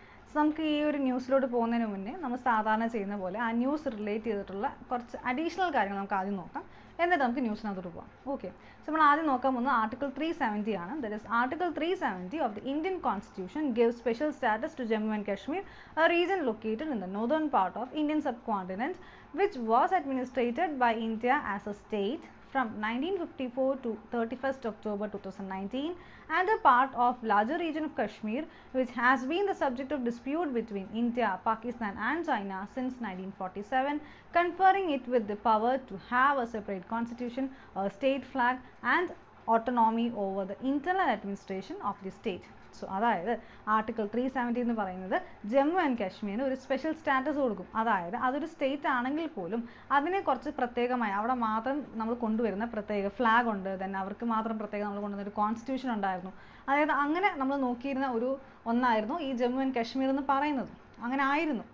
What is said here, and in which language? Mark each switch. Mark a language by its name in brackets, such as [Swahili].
[Malayalam] So നമുക്ക് ഈ ഒരു ന്യൂസിലോട്ട് പോകുന്നതിന് മുന്നേ നമ്മൾ സാധാരണ ചെയ്യുന്ന പോലെ ആ ന്യൂസ് റിലേറ്റ് ചെയ്തിട്ടുള്ള കുറച്ച് അഡീഷണൽ കാര്യങ്ങൾ നമുക്ക് ആദ്യം നോക്കാം, എന്നിട്ട് നമുക്ക് ന്യൂസിനകത്തോട്ട് പോകാം. ഓക്കെ, സോ നമ്മൾ ആദ്യം നോക്കാൻ പോകുന്നത് ആർട്ടിക്കിൾ 370 ആണ്. [English] That is article 370 of the Indian constitution give special status to Jammu and Kashmir, a region located in the northern part of Indian subcontinent which was administered by India as a state from 1954 to 31st October 2019 and a part of larger region of Kashmir, which has been the subject of dispute between India, Pakistan and China since 1947, conferring it with the power to have a separate constitution, a state flag and autonomy over the internal administration of the state. [Malayalam] So അതായത് article 370 എന്ന് പറയുന്നത് Jammu and കാശ്മീരിന് ഒരു special status കൊടുക്കും. അതായത് അതൊരു state ആണെങ്കിൽ പോലും അതിനെ കുറച്ച് പ്രത്യേകമായി അവിടെ മാത്രം നമ്മൾ കൊണ്ടുവരുന്ന പ്രത്യേക ഫ്ലാഗ് ഉണ്ട്, ദെൻ അവർക്ക് മാത്രം പ്രത്യേകം നമ്മൾ കൊണ്ടുവന്ന ഒരു കോൺസ്റ്റിറ്റ്യൂഷൻ ഉണ്ടായിരുന്നു. അതായത് അങ്ങനെ നമ്മൾ നോക്കിയിരുന്ന ഒരു ഒന്നായിരുന്നു ഈ ജമ്മു ആൻഡ് കാശ്മീർ എന്ന് പറയുന്നത്. അങ്ങനെ ആയിരുന്നു.